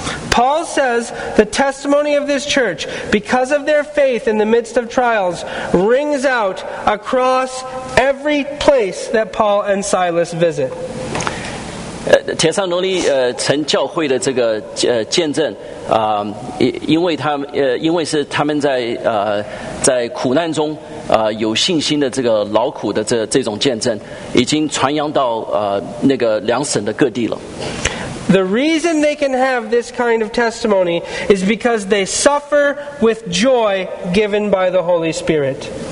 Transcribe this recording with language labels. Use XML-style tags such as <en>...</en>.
<en>Paul says the testimony of this church, because of their faith in the midst of trials, rings out across every place that Paul and Silas visit.</en> <zh>帖撒罗尼城教会的这个见证因为是他们在苦难中有信心的这个劳苦的这种见证，已经传扬到那个两省的各地了。</zh> <en>The reason they can have this kind of testimony is because they suffer with joy given by the Holy Spirit.</en>